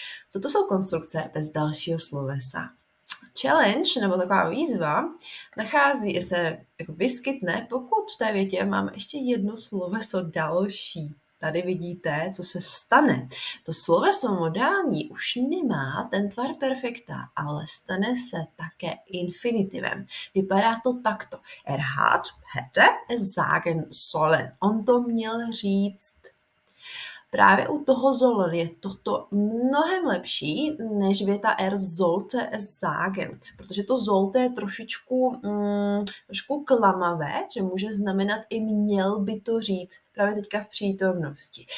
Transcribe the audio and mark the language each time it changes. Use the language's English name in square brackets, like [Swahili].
[Czech] Toto jsou konstrukce bez dalšího slovesa. Challenge, nebo taková výzva, nachází se, jako vyskytne, pokud v té větě máme ještě jedno sloveso další. Tady vidíte, co se stane. To sloveso modální už nemá ten tvar perfekta, ale stane se také infinitivem. Vypadá to takto. [German] Er hat, hätte, es sagen sollen. [Czech] On to měl říct. Právě u toho sollen je toto mnohem lepší, než věta [German] er sollte es sagen. [Czech] Protože to sollte je trošku klamavé, že může znamenat i měl by to říct právě teďka v přítomnosti.